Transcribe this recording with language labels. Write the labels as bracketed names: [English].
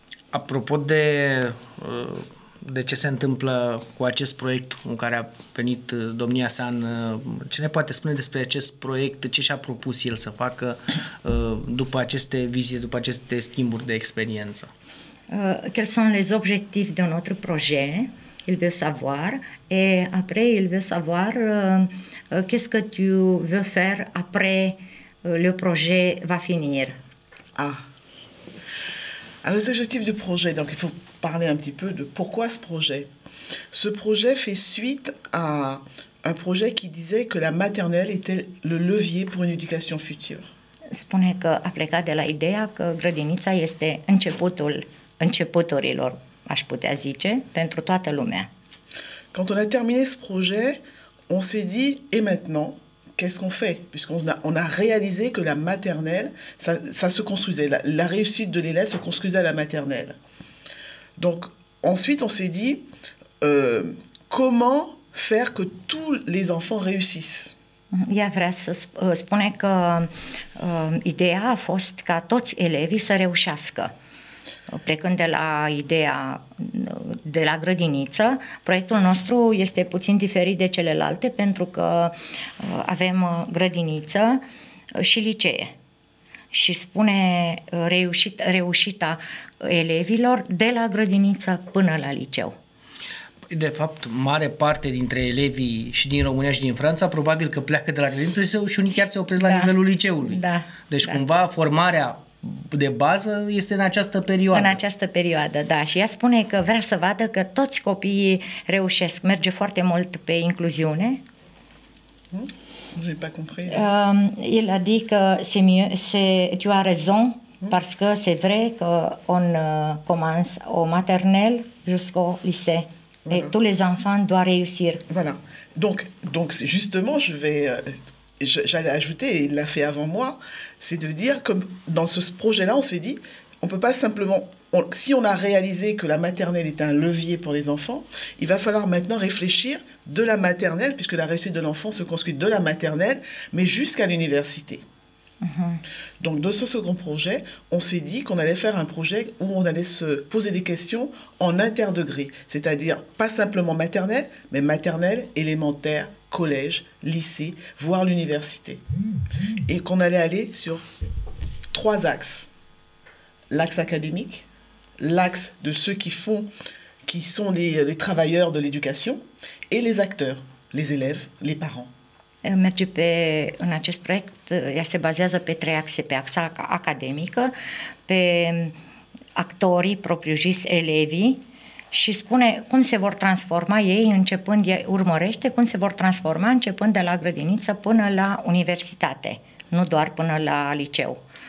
[Romanian] Apropo de ce se întâmplă cu acest proiect în care a venit domnia sa, ce ne poate spune despre acest proiect, ce și-a propus el să facă după aceste vizite, după aceste schimburi de experiență? [French] Quels sont les objectifs de notre projet? Il veut savoir. Et après, il veut savoir qu'est-ce que tu veux faire après le projet va finir. Ah. Alors, les objectifs du projet, donc il faut parler un petit peu de pourquoi ce projet. Ce projet fait suite à un projet qui disait que la maternelle était le levier pour une éducation future. [Romanian] Spune că a plecat de la ideea că grădinița este începutul începutorilor, aș putea zice, pentru toată lumea. [French] Quand on a terminé ce projet, on s'est dit, et maintenant, qu'est-ce qu'on fait? Puisqu'on a réalisé que la maternelle, ça se construisait. La réussite de l'élève se construisait à la maternelle. Donc, ensuite, on s'est dit, comment faire que tous les enfants réussissent? [Romanian] Ea vrea să spune că ideea a fost ca toți elevii să reușească. Plecând de la ideea de la grădiniță, proiectul nostru este puțin diferit de celelalte pentru că avem grădiniță și licee. Și spune reușita elevilor de la grădiniță până la liceu. De fapt, mare parte dintre elevii și din România și din Franța probabil că pleacă de la grădiniță și unii chiar se opresc la nivelul liceului. Da, deci cumva formarea de bază este în această perioadă. În această perioadă, da. Și ea spune că vrea să vadă că toți copiii reușesc. Merge foarte mult pe incluziune. [French] J'ai pas compris. El a dit que c'est mieux, c'est, tu as raison, parce que c'est vrai que on commence au maternel jusqu'au lycée. Voilà. Et tous les enfants doivent réussir. Voilà. Donc justement, j'allais ajouter, il l'a fait avant moi, c'est de dire, comme dans ce projet-là, on s'est dit, on ne peut pas simplement... si on a réalisé que la maternelle est un levier pour les enfants, il va falloir maintenant réfléchir de la maternelle, puisque la réussite de l'enfant se construit de la maternelle, mais jusqu'à l'université. Donc, de ce second projet, on s'est dit qu'on allait faire un projet où on allait se poser des questions en interdegré, c'est-à-dire pas simplement maternelle, mais maternelle, élémentaire, collège, lycée, voire l'université. Et qu'on allait aller sur trois axes. L'axe académique, l'axe de ceux qui font, qui sont les travailleurs de l'éducation, et les acteurs, les élèves, les parents. [Romanian] Merge pe, în acest proiect, ea se bazează pe trei axe, pe axa academică, pe actorii, propriu-zis, elevii, și spune cum se vor transforma ei începând, urmărește cum se vor transforma începând de la grădiniță până la universitate, nu doar până la liceu.